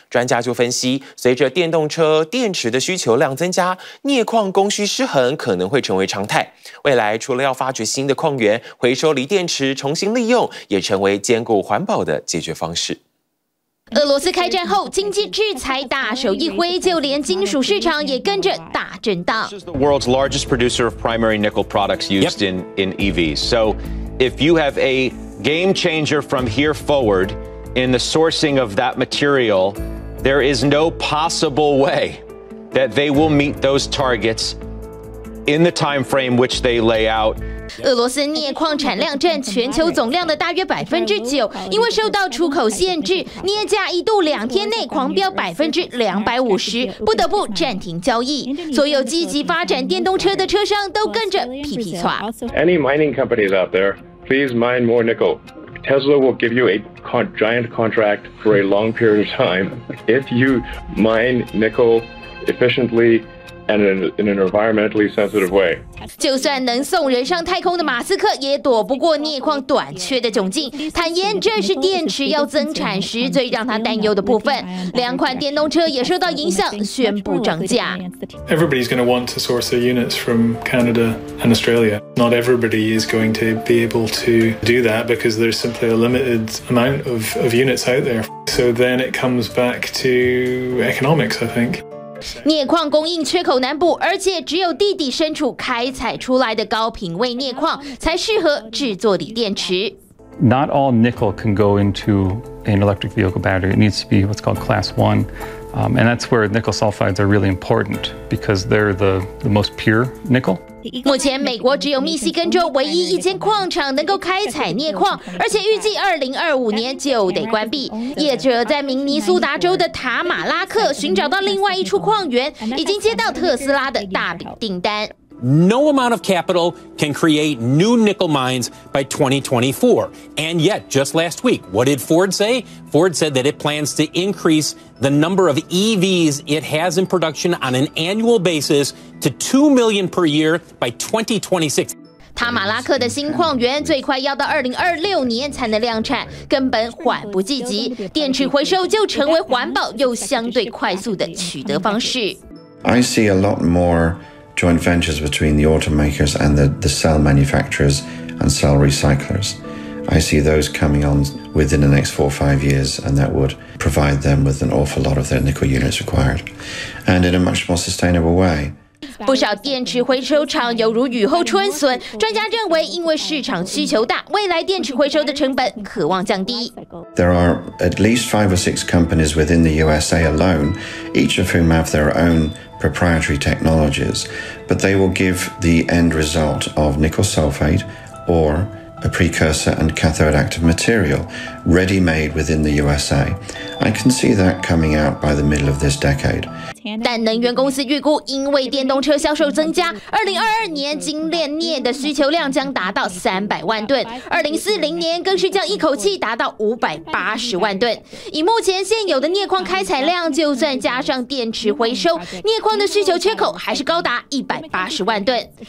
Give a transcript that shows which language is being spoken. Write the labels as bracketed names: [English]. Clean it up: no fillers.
[Chinese] 专家就分析，随着电动车电池的需求量增加，镍矿供需失衡可能会成为常态。未来除了要发掘新的矿源，回收锂电池重新利用，也成为兼顾环保的解决方式。俄罗斯开战后，经济制裁大手一挥，就连金属市场也跟着大震荡。 [English] This is the world's largest producer of primary nickel products used in EVs. So, if you have a game changer from here forward in the sourcing of that material, there is no possible way that they will meet those targets in the time frame which they lay out. [Chinese] 俄罗斯镍矿产量占全球总量的大约9%，因为受到出口限制，镍价一度两天内狂飙250%，不得不暂停交易。所有积极发展电动车的车商都跟着屁屁错。 [English] Any mining companies out there, please mine more nickel. Tesla will give you a giant contract for a long period of time if you mine nickel efficiently. And in an environmentally sensitive way. [Chinese] 就算能送人上太空的马斯克也躲不过镍矿短缺的窘境，坦言这是电池要增产时最让他担忧的部分。两款电动车也受到影响，宣布涨价。 [English] Everybody's going to want to source their units from Canada and Australia. Not everybody is going to be able to do that because there's simply a limited amount of units out there. So then it comes back to economics, I think. [Chinese] 镍矿供应缺口难补，而且只有地底深处开采出来的高品位镍矿才适合制作锂电池。 [English] Not all nickel can go into an electric vehicle battery. It needs to be what's called class one, and that's where nickel sulfides are really important because they're the most pure nickel. [Chinese] 目前美国只有密西根州唯一一间矿场能够开采镍矿，而且预计2025年就得关闭。业者在明尼苏达州的塔马拉克寻找到另外一处矿源，已经接到特斯拉的大笔订单。 [English] No amount of capital can create new nickel mines by 2024. And yet, just last week, what did Ford say? Ford said that it plans to increase the number of EVs it has in production on an annual basis to 2 million per year by 2026. [Chinese] 塔马拉克的新矿源最快要到2026年才能量产，根本缓不济急。电池回收就成为环保又相对快速的取得方式。 [English] I see a lot more. Joint ventures between the automakers and the cell manufacturers and cell recyclers. I see those coming on within the next 4 or 5 years, and that would provide them with an awful lot of their nickel units required, and in a much more sustainable way. [Chinese] 不少电池回收厂犹如雨后春笋，专家认为因为市场需求大，未来电池回收的成本可望降低。 [English] There are at least 5 or 6 companies within the USA alone, each of whom have their own proprietary technologies, but they will give the end result of nickel sulfate or a precursor and cathode active material ready made within the USA. I can see that coming out by the middle of this decade. [Chinese] 但能源公司预估，因为电动车销售增加，2022年精炼镍的需求量将达到300万吨，2040年更是将一口气达到580万吨。以目前现有的镍矿开采量，就算加上电池回收，镍矿的需求缺口还是高达180万吨。